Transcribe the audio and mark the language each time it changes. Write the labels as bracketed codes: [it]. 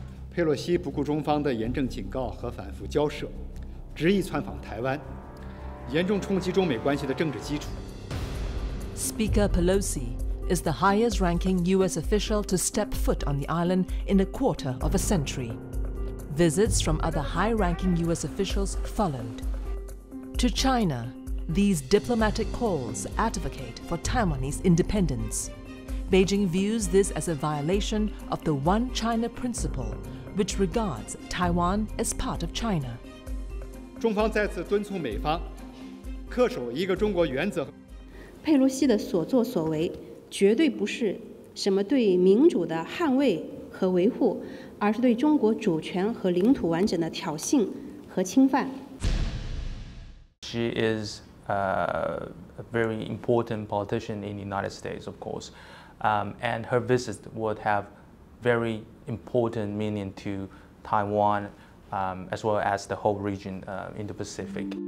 [zh] 佩洛西不顾中方的严正警告和反复交涉，执意窜访台湾，严重冲击中美关系的政治基础。 [en] Speaker Pelosi is the highest-ranking U.S. official to step foot on the island in a quarter of a century. Visits from other high-ranking U.S. officials followed. To China, these diplomatic calls advocate for Taiwanese independence. Beijing views this as a violation of the One China principle, which regards Taiwan as part of China. [zh] 中方再次敦促美方恪守一个中国原则。佩洛西的所作所为绝对不是什么对民主的捍卫和维护，而是对中国主权和领土完整的挑衅和侵犯。 [en] She is a very important politician in the United States, of course, and her visit would have very important meaning to Taiwan as well as the whole region in the Pacific.